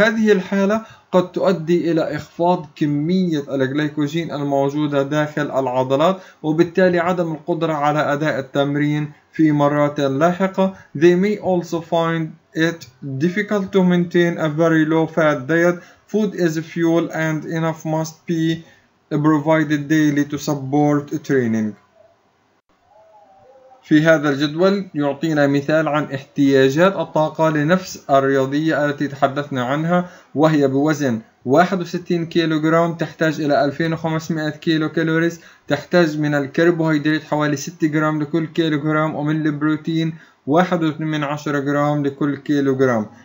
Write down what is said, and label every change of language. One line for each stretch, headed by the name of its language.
Arabic: هذه الحالة قد تؤدي إلى إخفاض كمية الجليكوجين الموجودة داخل العضلات، وبالتالي عدم القدرة على أداء التمرين في مرات لاحقة.
English: They may also find it difficult to maintain a very low fat diet. Food is fuel and enough must be provided daily to support training.
Arabic: في هذا الجدول يعطينا مثال عن احتياجات الطاقة لنفس الرياضية التي تحدثنا عنها، وهي بوزن 61 كيلوغرام تحتاج إلى 2500 كيلو كالوري، تحتاج من الكربوهيدرات حوالي 6 جرام لكل كيلوغرام، ومن البروتين 1.2 جرام لكل كيلوغرام.